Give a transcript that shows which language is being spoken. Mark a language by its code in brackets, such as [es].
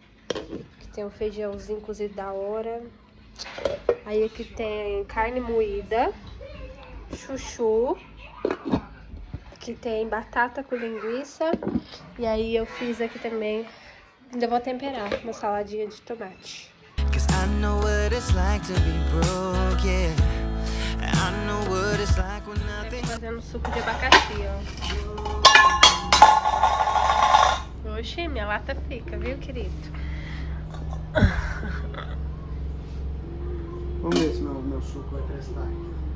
[pt] Aqui tem um feijãozinho, inclusive, da hora. Aí aqui tem carne moída. Chuchu. Que tem batata com linguiça. E aí eu fiz aqui também. Ainda vou temperar uma saladinha de tomate. [en] Cause I know what it's like to be broke, yeah. I know what it's like when nothing. [pt] Fazendo suco de abacaxi, ó. Oxi, minha lata fica, viu, querido? Vamos ver se meu suco vai prestar aqui.